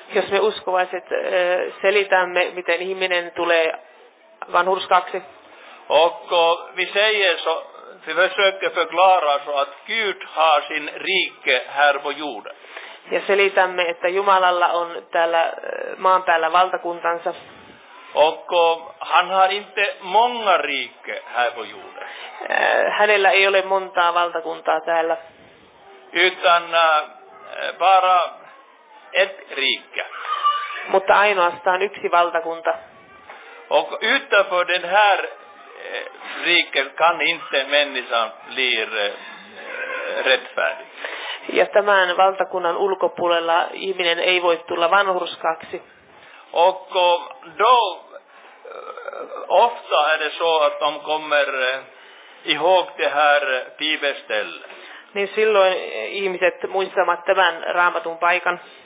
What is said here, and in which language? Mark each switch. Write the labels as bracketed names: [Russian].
[Finnish] Jos me uskovaiset selitämme, miten ihminen tulee vanhurskaaksi. [Swedish] Och vi säger så. Vi försöker förklara så att Gud har sin rike här på jorden. [Finnish] ja selitämme, että Jumalalla on täällä maan päällä valtakuntansa. [Swedish] Och han har inte många rike här på jorden. [Finnish] Hänellä ei ole montaa valtakuntaa täällä. [Swedish] Utan bara ett rike. [Finnish] Mutta ainoastaan yksi valtakunta. [Swedish] Och utanför den här riken kan inte människan bli rättfärdig. [Finnish] Ja tämän valtakunnan ulkopuolella ihminen ei voi tulla vanhurskaaksi. [Swedish] Och då ofta är det så att de kommer ihåg det här bibelstället. [Finnish] Niin silloin ihmiset muistavat tämän raamatun paikan.